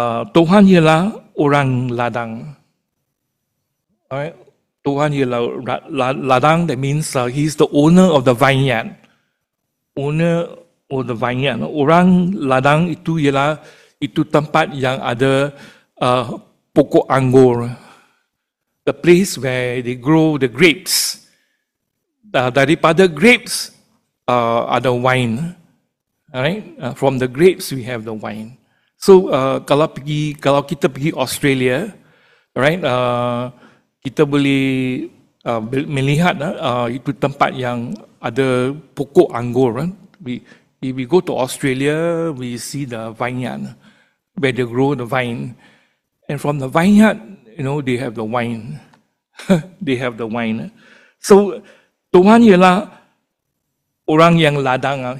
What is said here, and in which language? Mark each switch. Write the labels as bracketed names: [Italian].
[Malay] Tuhan ialah orang ladang. [English] Alright? [Malay] Tuhan ialah ladang, [English] that means he's the owner of the vineyard. Owner of the vineyard. [Malay] Orang ladang itu ialah itu tempat yang ada pokok anggur. [English] The place where they grow the grapes. [Malay] Daripada grapes ada wine. [English] Alright, from the grapes we have the wine. [Malay] So kalau kita pergi Australia, right, kita boleh melihat itu tempat yang ada pokok anggur. Right? [English] If we go to Australia, we see the vineyard where they grow the vine, and from the vineyard, you know, they have the wine. They have the wine. [Malay] So Tuhan ialah orang yang ladang.